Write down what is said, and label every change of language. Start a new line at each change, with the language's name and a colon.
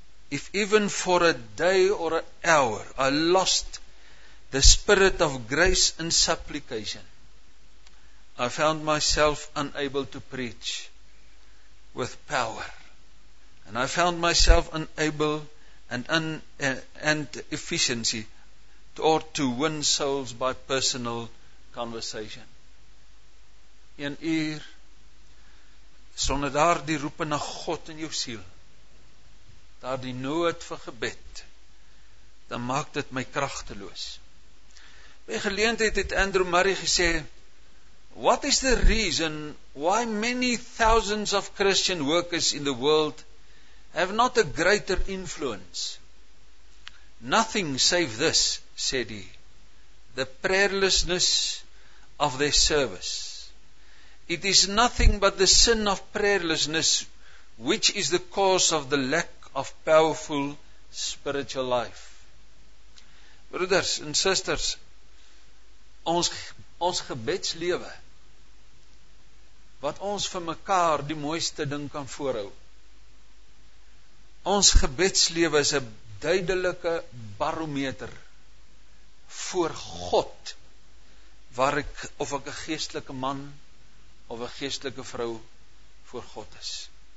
English: If even for a day or an hour I lost the spirit of grace and supplication, I found myself unable to preach with power, and I found myself unable and efficiency or to win souls by personal conversation.
Afrikaans: 1 uur sonder daar die roepe na God in jou siel, daar die nood vir gebed, dan maak dit my kragteloos. By geleentheid het Andrew Murray gesê,
English: what is the reason why many thousands of Christian workers in the world have not a greater influence? Nothing save this, said he, the prayerlessness of their service. It is nothing but the sin of prayerlessness which is the cause of the lack of powerful spiritual life.
Afrikaans: Broeders en sisters, ons gebedslewe, wat ons vir mekaar die mooiste ding kan voorhou. Ons gebedslewe is 'n duidelike barometer voor God, waar ek, of ek 'n geestelike man of 'n geestelike vrou voor God is.